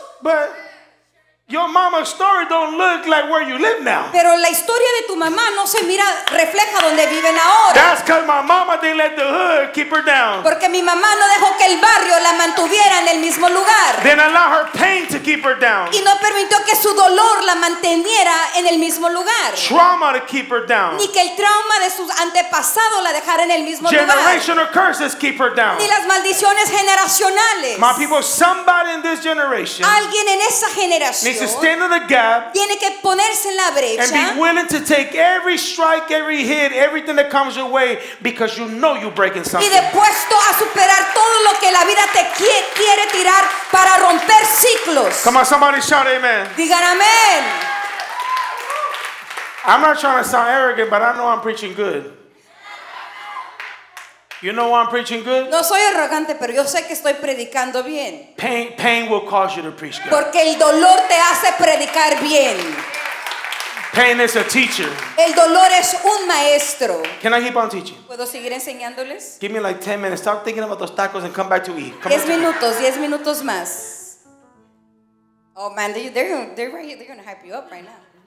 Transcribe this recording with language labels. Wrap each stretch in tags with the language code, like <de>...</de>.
<en>But your mama's story don't look like where you live now.</en> <es>Pero la historia de tu mamá no se mira refleja donde viven ahora.</es> <en>That's because my mama didn't let the hood keep her down.</en> <es>Porque mi mamá no dejó que el barrio la mantuviera en el mismo lugar.</es> <en>Didn't allow her pain to keep her down.</en> <es>Y no permitió que su dolor la manteniera en el mismo lugar.</es> <en>Trauma to keep her down.</en> <es>Ni que el trauma de sus antepasados la dejara en el mismo lugar.</es> <en>Generational curses keep her down.</en> <es>Ni las maldiciones generacionales.</es> <en>My people, somebody in this generation.</en> <es>Alguien en esa generación.</es> <en>To stand in the gap,</en> <es>tiene que ponerse en la brecha,</es> <en>and be willing to take every strike, every hit, everything that comes your way, because you know you're breaking something.</en> <es>Y dispuesto a superar todo lo que la vida te quiere tirar para romper ciclos.</es> <en>Come on, somebody shout amen.</en> <es>Digan amén.</es> <en>I'm not trying to sound arrogant, but I know I'm preaching good. You know why I'm preaching good?</en> <es>No soy arrogante, pero yo sé que estoy predicando bien.</es> <en>Pain will cause you to preach good.</en> <es>Porque el dolor te hace predicar bien.</es> <en>Pain is a teacher.</en> <es>El dolor es un maestro.</es> <en>Can I keep on teaching?</en> <es>¿Puedo seguir enseñándoles?</es> <en>Give me like 10 minutes. Stop thinking about those tacos and come back to eat.</en> <es>10 minutos más.</es> <en>Oh man, they're going to hype you up right now.</en>